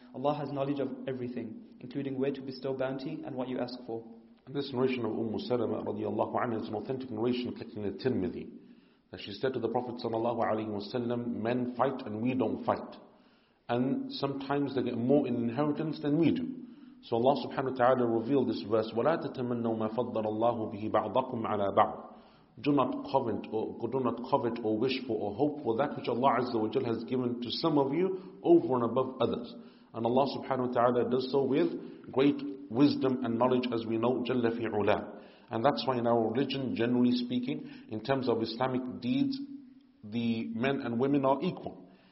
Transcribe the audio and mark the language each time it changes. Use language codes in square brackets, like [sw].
[en] Allah has knowledge of everything, including where to bestow bounty and what you ask for. And this narration of Salama radiallahu anha is an authentic narration collected in the Tirmidhi. That she said to the Prophet sallallahu alayhi wasallam, "Men fight and we don't fight. And sometimes they get more in inheritance than we do." So Allah subhanahu wa ta'ala revealed this verse, [ar] وَلَا تَتَمَنَّوا مَا فَضَّلَ اللَّهُ بِهِ بَعْضَكُمْ عَلَىٰ بَعْضٍ. [en] Do not covet or wish for or hope for that which Allah Azza wa Jalla has given to some of you over and above others. And Allah subhanahu wa ta'ala does so with great wisdom and knowledge, as we know, [ar] جَلَّ فِي عُلَىٰ. [en] And that's why in our religion, generally speaking, in terms of Islamic deeds, the men and women are equal.